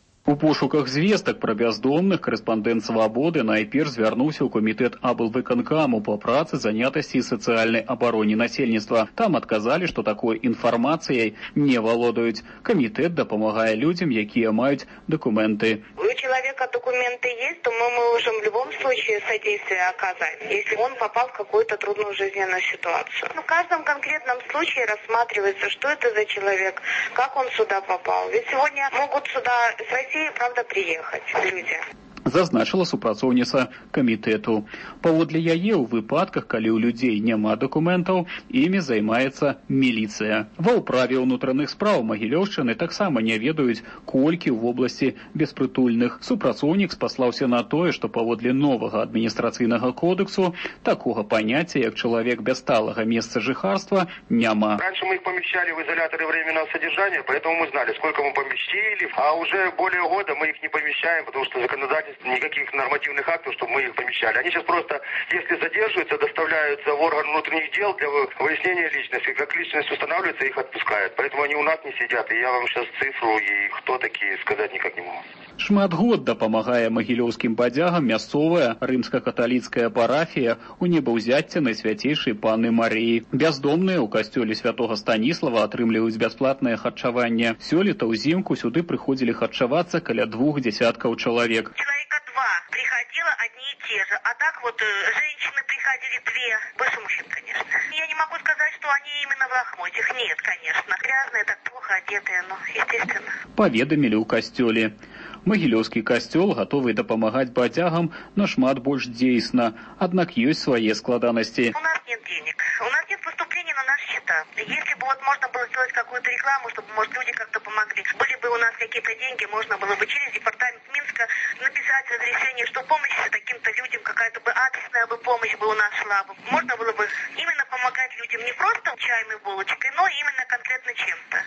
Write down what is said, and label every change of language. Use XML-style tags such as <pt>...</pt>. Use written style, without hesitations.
<be>У пошуках звестак пра бяздомных корэспандэнт «Свабоды» найперш звярнуўся ў камітэт аблвыканкаму па працы, занятасці і сацыяльнай абароне насельніцтва. Там адказалі, што такой інфармацыяй не валодаюць. Камітэт дапамагае людзям, якія маюць дакументы. У чалавека дакументы ёсць, то мы можам у любым случае садзействие аказаць,</be> <ru>если он попал в какую-то трудную жизненную ситуацию. В каждом конкретном случае рассматривается, что это за человек, как он сюда попал. Ведь сегодня могут сюда приехаць,</ru> <be>зазначыла супрацоўніца камітэту. Паводле яе, ў выпадках, калі ў людзей няма дакументаў, імі займаецца міліцыя. Ва ўправе ўнутраных справ Магілёўшчыны таксама не ведаюць, колькі ў вобласці беспрытульных. Супрацоўнік спаслаўся на тое, што паводле новага адміністрацыйнага кодэксу такога паняцця, як чалавек без сталага месца жыхарства, няма.</be> <ru>Раньше мы их помещали в изоляторы временного содержания, поэтому мы знали, сколько мы поместили, а уже более года мы их не помещаем, потому что законодательство никаких нормативных актов, чтобы мы их помещали. Они сейчас просто, если задерживаются, доставляются в орган внутренних дел для выяснения личности. Как личность устанавливается, их отпускают. Поэтому они у нас не сидят. И я вам сейчас цифру и кто такие сказать никак не могу.</ru> <be>Шмат год дапамагае магілёўскім бадзягам мясцовая рымска-каталіцкая парафія ў небаўзяцці найсвяцейшай Панны Марыі. Бяздомныя ў касцёле Святога Станіслава атрымліваюць бясплатнае харчаванне. Сёлета ўзімку сюды прыходзілі харчавацца каля 20 чалавек. Чалавека два прыходзіла адні</be> <ru>і те же. А так вот женщины приходили две, больше мужчин, конечно. Я не могу сказать, что они именно в лохмотьях. Нет, конечно. Грязные, так плохо одетые, но естественно.</ru> <be>Паведамілі ў касцёле. Магілёўскі касцёл гатовы дапамагаць бадзягам нашмат больш дзейсна, аднак ёсць свае складанасці.</be> <ru>У нас нет денег. У нас нет поступлений на наши счета. Если бы вот можно было сделать какую-то рекламу, чтобы, может, люди как-то помогли, были бы у нас какие-то деньги, можно было бы через департамент Минска написать разрешение, что помощь таким-то людям, какая-то бы адресная бы помощь бы у нас шла бы. Можно было бы именно помогать людям не просто чаем и булочкой, но именно конкретно чем-то.</ru>